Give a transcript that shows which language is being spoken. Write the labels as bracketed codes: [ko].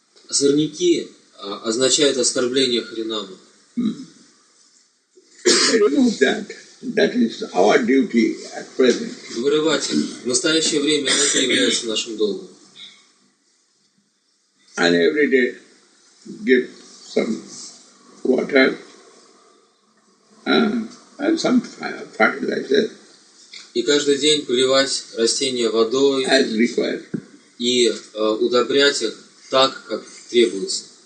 [ru] Сорняки означает оскорбление Харинама. [en] Remove that. That is our duty at present. [ru] Вырывать их. В настоящее время это является нашим долгом. [en] And every day give some water and some fertilizer. [ru] И каждый день поливать растения водой и удобрять их так, как требуется.